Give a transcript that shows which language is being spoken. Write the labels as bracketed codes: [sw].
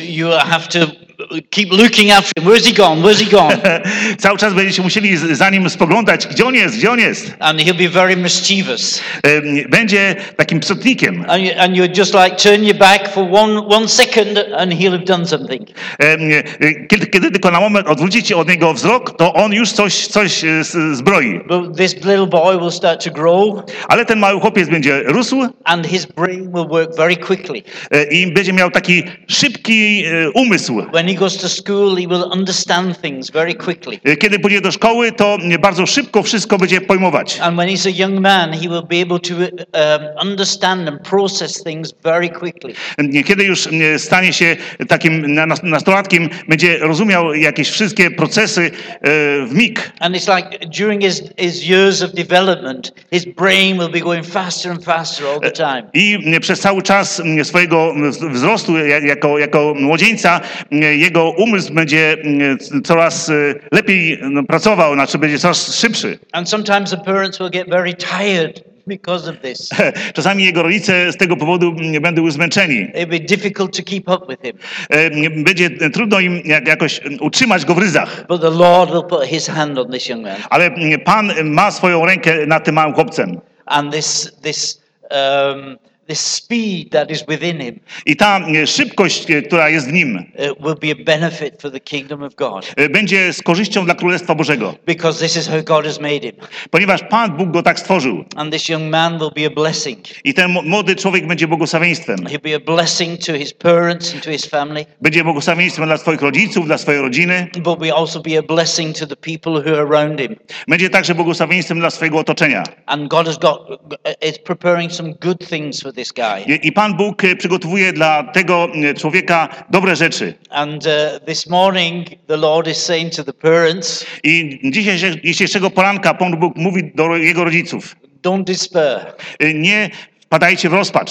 [en] you have to keep looking after him. Where's he gone? Where's he gone? [pl] Cały czas będziecie musieli za nim spoglądać, gdzie on jest, [en] And he'll be very mischievous. [pl] Będzie takim psotnikiem. [en] And you just like turn your back for one second and he'll have done something. [pl] Kiedy tylko na moment odwrócicie od niego wzrok, to on już coś zbroi. [en] But this little boy will start to grow. [pl] Ale ten mały chłopiec będzie rósł. [en] And his brain will work very quickly. [pl] I będzie miał taki szybki umysł. [en] When he goes to school, he will understand things very quickly. [pl] Kiedy pójdzie do szkoły, to bardzo szybko wszystko będzie pojmować. [en] And when he's a young man, he will be able to understand and process things very quickly. [pl] Kiedy już stanie się takim nastolatkiem, będzie rozumiał jakieś wszystkie procesy w mig. [en] And it's like during his years of development, his brain will be going faster and faster all the time. [pl] I przez cały czas swojego wzrostu jako młodzieńca jego umysł będzie coraz lepiej pracował, znaczy będzie coraz szybszy. [en] And sometimes the parents will get very tired because of this. [pl] Czasami jego rodzice z tego powodu będą zmęczeni. [en] It'll be difficult to keep up with him. [pl] Będzie trudno im jakoś utrzymać go w ryzach. [en] But the Lord will put his hand on this young man. [pl] Ale Pan ma swoją rękę nad tym małym chłopcem. [en] And this speed that is within him. [pl] I ta szybkość, która jest w nim, [en] will be a benefit for the kingdom of God. [pl] Będzie z korzyścią dla Królestwa Bożego. [en] Because this is how God has made him. [pl] Ponieważ Pan Bóg go tak stworzył. [en] And this young man will be a blessing. [pl] I ten młody człowiek będzie błogosławieństwem. [en] He'll be a blessing to his parents and to his family. [pl] Będzie błogosławieństwem dla swoich rodziców, dla swojej rodziny. [en] But will also be a blessing to the people who are around him. [pl] Będzie także błogosławieństwem dla swojego otoczenia. [en] And God is preparing some good things for this guy. [pl] I Pan Bóg przygotowuje dla tego człowieka dobre rzeczy. [en] And this morning the Lord is saying to the parents. [pl] I dzisiejszego poranka Pan Bóg mówi do jego rodziców. [en] Don't despair. [pl] Nie wpadajcie w rozpacz.